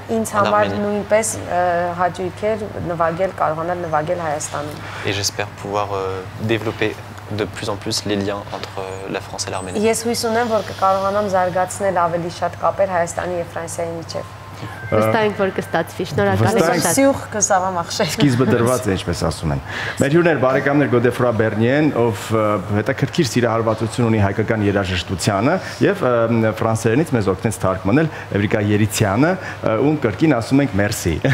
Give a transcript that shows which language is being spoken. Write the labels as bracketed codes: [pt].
[hy] Ինձ համար նույնպես հաճույք էր նվագել, կարողանալ նվագել Հայաստանում։ [fr] Et j'espère pouvoir développer de plus en plus les liens entre la France et l'Arménie. [hy] Ես հույս ունեմ, որ կարողանամ զարգացնել ավելի շատ կապեր Հայաստանի եւ Ֆրանսիայի միջեւ։ Վստահենք, որ կստացվի։ Շնորհակալ եմ շատ։ Սյուխ կսավամ ախշեր։ Սկիզբը դրված է, ինչպես ասում են։ Մեր հյուրներ, բարեկամներ Գոդեֆրա Բերնիեն, ով հետաքրքիր սիրահարվածություն ունի հայկական երաժշտությանը եւ ֆրանսերենից մեզ օգնեց թարգմանել Էվրիկա Երիցյանը, ում կրկին ասում ենք մերսի։